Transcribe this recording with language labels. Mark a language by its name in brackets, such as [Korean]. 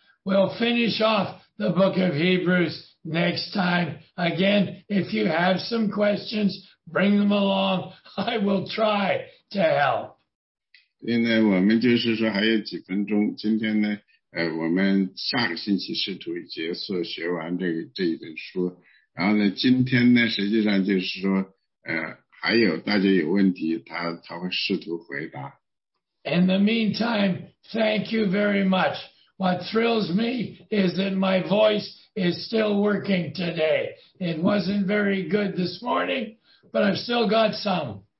[English] We'll finish off the book of Hebrews next time. Again, if you have some questions, bring them along. I will try to help. [Chinese] 所以呢，我们就是说还有几分钟，今天呢。我们下个星期试图结束学完这一本书，然后呢，今天呢，实际上就是说，还有大家有问题，他会试图回答。 [English] In the meantime, thank you very much. What thrills me is that my voice is still working today. It wasn't very good this morning, but I've still got some.